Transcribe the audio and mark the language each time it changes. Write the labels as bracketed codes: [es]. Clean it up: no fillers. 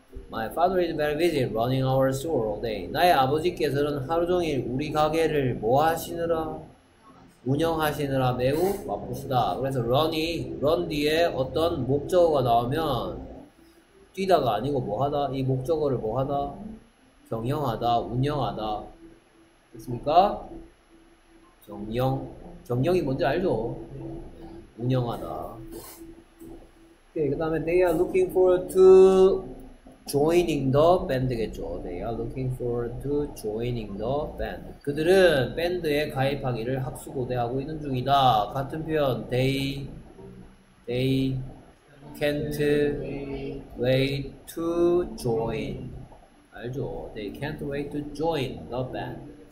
[en] My father is very busy running our store all day. [ko] 나의 아버지께서는 하루 종일 우리 가게를 뭐 하시느라? 운영하시느라 매우 바쁘시다. 그래서 run이, run 뒤에 어떤 목적어가 나오면 뛰다가 아니고 뭐하다? 이 목적어를 뭐하다? 경영하다, 운영하다. 됐습니까? 경영. 경영이 뭔지 알죠? 운영하다. 오케이, 그 다음에 [en] they are looking forward to joining the band [ko] 겠죠. [en] They are looking forward to joining the band. [ko] 그들은 밴드에 가입하기를 학수고대하고 있는 중이다. 같은 표현, [en] they can't wait to join. 알죠? They can't wait to join the band.